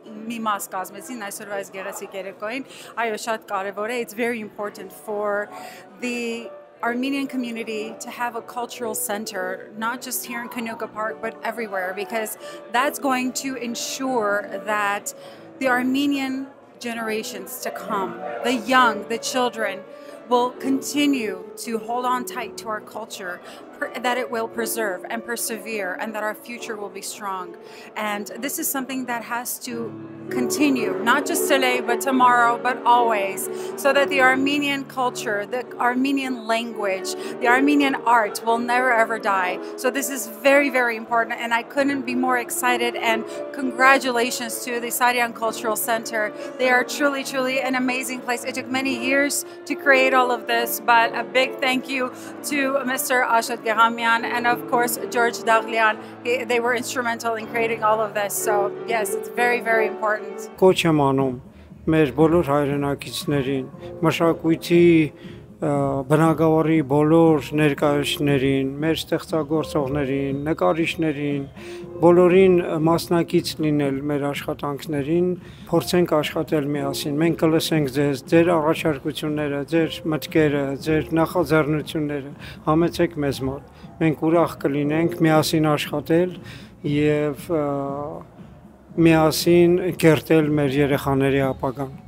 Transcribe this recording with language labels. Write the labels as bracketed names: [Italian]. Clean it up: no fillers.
[Armenian] մի մաս կազմեցին այսօր այս գեղեցիկ երեկոին, այո, շատ կարևոր է, [English] it's very important for the Armenian community to have a cultural center, not just here in Canoga Park, but everywhere, because that's going to ensure that the Armenian generations to come, the young, the children, will continue to hold on tight to our culture, that it will preserve and persevere, and that our future will be strong. And this is something that has to continue, not just today, but tomorrow, but always, so that the Armenian culture, the Armenian language, the Armenian art will never ever die. So this is very, very important, and I couldn't be more excited, and congratulations to the Sarian Cultural Center. They are truly, truly an amazing place. It took many years to create all of this, but a big thank you to Mr. Ashad Gehamian, and of course, George Daglian. They were instrumental in creating all of this. So yes, it's very, very important. [Armenian] Կոչ եմ անում մեր բոլոր հայրենակիցներին, մշակույթի բնագավառի բոլոր ներկայացուցիչներին, մեր ստեղծագործողներին, նկարիչներին, բոլորին մասնակից լինել մեր աշխատանքներին, փորձենք աշխատել միասին, մենք կլսենք ձեզ, ձեր առաջարկությունները, ձեր մտքերը, ձեր նախաձեռնությունները, համեցեք մեզ մոտ, մենք ուրախ կլինենք միասին աշխատել և միասին կերտել մեր երեխաների ապագան։